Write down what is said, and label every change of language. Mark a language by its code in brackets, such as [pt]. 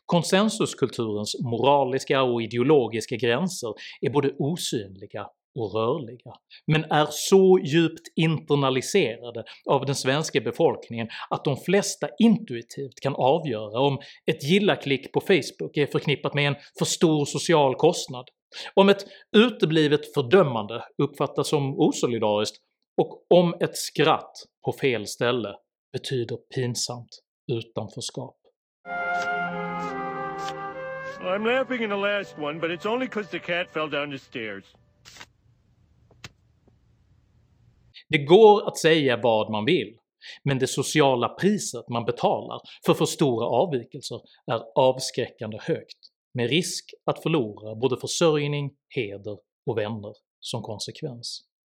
[sv] Konsensuskulturens moraliska och ideologiska gränser är både osynliga och rörliga, men är så djupt internaliserade av den svenska befolkningen att de flesta intuitivt kan avgöra om ett gilla-klick på Facebook är förknippat med en för stor social kostnad, om ett uteblivet fördömande uppfattas som osolidariskt, och om ett skratt på fel ställe betyder pinsamt utanförskap. [en] I'm laughing in the last one, but it's only because the cat fell down the stairs. [sv] Det går att säga vad man vill, men det sociala priset man betalar för stora avvikelser är avskräckande högt, med risk att förlora både försörjning, heder och vänner som konsekvens.